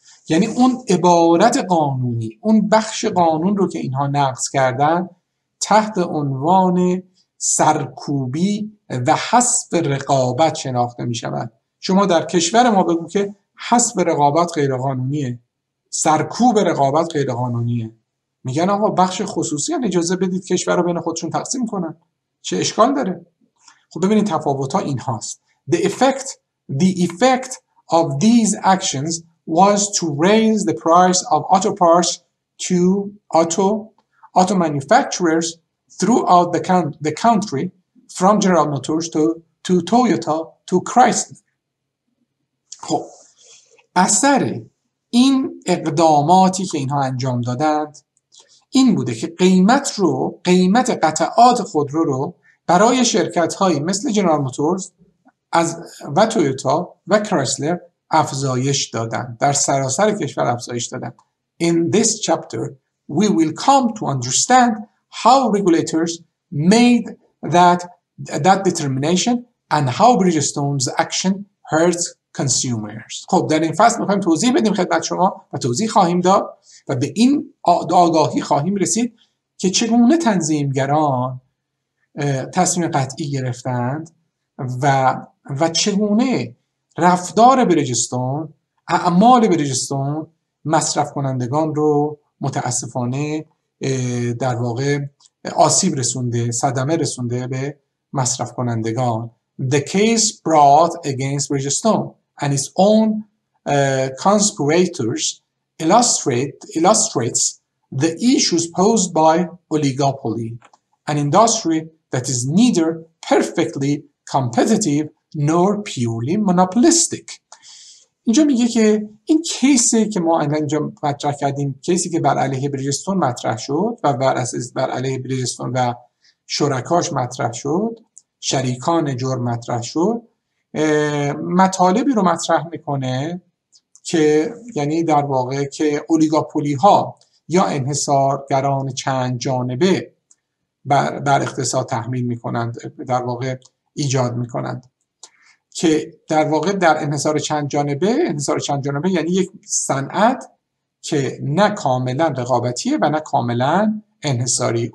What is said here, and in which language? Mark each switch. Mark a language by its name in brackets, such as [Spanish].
[Persian] یعنی اون عبارت قانونی، اون بخش قانون رو که اینها نقض کردن، تحت عنوان سرکوبی و حذف رقابت شناخته می شود. شما در کشور ما بگو که حذف رقابت غیرقانونیه، سرکوب رقابت غیرقانونیه، میگن آقا بخش خصوصی هم اجازه بدید کشور رو بین خودشون تقسیم کنن، چه اشکال داره؟ خب ببینید تفاوت ها این هاست. [English] The effect of these actions was to raise the price of auto parts to auto manufacturers throughout the country, from General Motors to Toyota to Chrysler. [Persian] خب اثر این اقداماتی که اینها انجام دادند این بوده که قیمت قطعات خودرو رو برای شرکت هایی مثل جنرال موتورز از و تویوتا و کرایسلر افزایش دادن، در سراسر کشور افزایش دادن. [English] In this chapter we will come to understand how regulators made that determination and how Bridgestone's action hurts consumers. [Persian] خب در این فصل میخوایم توضیح بدیم خدمت شما و توضیح خواهیم داد و به این آگاهی خواهیم رسید که چگونه تنظیمگران تصمیم قطعی گرفتند و چگونه رفتار بریجستون، اعمال بریجستون مصرف کنندگان رو متاسفانه در واقع آسیب رسونده، صدمه رسونده به مصرف کنندگان. [English] The case brought against Bridgestone and its own conspirators illustrates the issues posed by oligopoly, an industry that is neither perfectly competitive nor purely monopolistic. [Persian] اینجا میگه که این کیسی که ما اینجا مطرح کردیم، کیسی که بر علیه بریجستون مطرح شد و بر علیه بریجستون و شرکاش مطرح شد، شریکان جرم مطرح شد، مطالبی رو مطرح میکنه که یعنی در واقع که اولیگاپولی ها یا انحصارگران چند جانبه بر اقتصاد تحمیل میکنند، در واقع ایجاد میکنند، که در واقع در انحصار چند جانبه یعنی یک صنعت که نه کاملا رقابتیه و نه کاملا انحصاری.